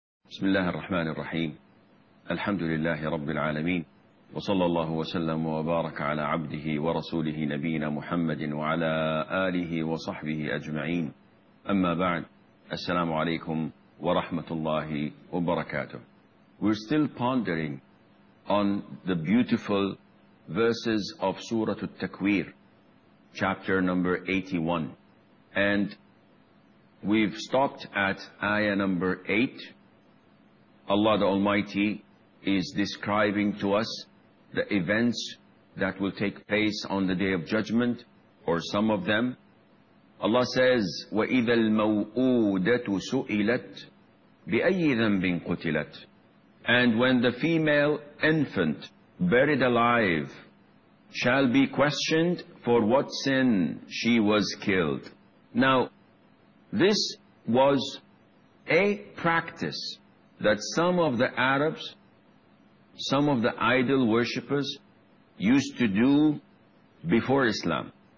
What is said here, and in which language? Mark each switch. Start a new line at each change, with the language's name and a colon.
Arabic: بسم الله الرحمن الرحيم، الحمد لله رب العالمين، وصلى الله وسلم وبارك على عبده ورسوله نبينا محمد وعلى آله وصحبه أجمعين. أما بعد، السلام عليكم ورحمة الله وبركاته.
English: We're still pondering on the beautiful verses of Surah Al-Takwir, chapter number 81. And we've stopped at ayah number 8. Allah the Almighty is describing to us the events that will take place on the Day of Judgment, or some of them. Allah says,
Arabic: وَإِذَا الْمَوْءُودَةُ سُئِلَتْ بِأَيِّ ذَنْبٍ قُتِلَتْ.
English: And when the female infant buried alive shall be questioned for what sin she was killed. Now, this was a practice that some of the Arabs, some of the idol worshippers used to do before Islam.